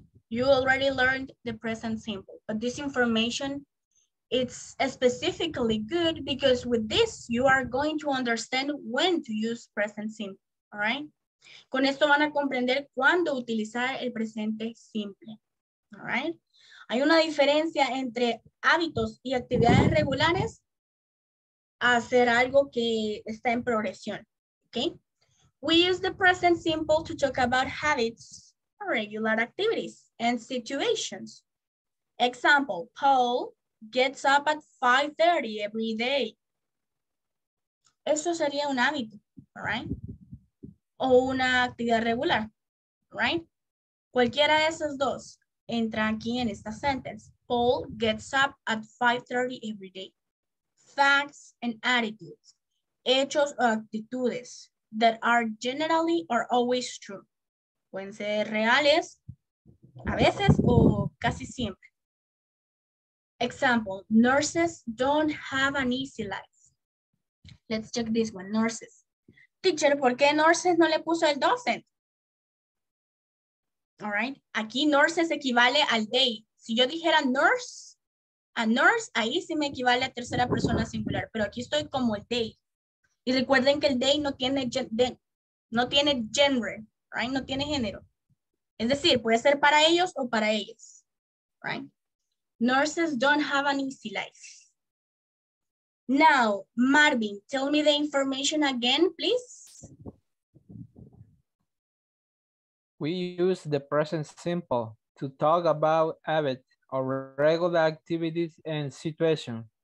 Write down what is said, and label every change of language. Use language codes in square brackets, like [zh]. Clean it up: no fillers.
[en] You already learned the present simple, but this information, it's specifically good because with this, you are going to understand when to use present simple, all right? [es] Con esto van a comprender cuándo utilizar el presente simple, all right? Hay una diferencia entre hábitos y actividades regulares hacer algo que está en progresión, okay? [en] We use the present simple to talk about habits, regular activities, and situations. Example, Paul gets up at 5:30 every day. [es] Eso sería un hábito, all right? O una actividad regular, right? Cualquiera de esos dos entra aquí en esta sentence. [en] Paul gets up at 5:30 every day. Facts and attitudes, hechos o actitudes that are generally or always true. [es] Pueden ser reales, a veces o casi siempre. [en] Example, nurses don't have an easy life. Let's check this one, nurses. Teacher, ¿por qué nurses no le puso el docent? [es] All right, aquí nurses equivale al they. Si yo dijera nurse, a nurse, ahí sí me equivale a tercera persona singular, pero aquí estoy como el they. Y recuerden que el they no tiene gender, right? No tiene género. Es decir, puede ser para ellos o para ellas, right? [en] Nurses don't have an easy life. Now, Marvin, tell me the information again, please. We use the present simple to talk about habit or regular activities and situation.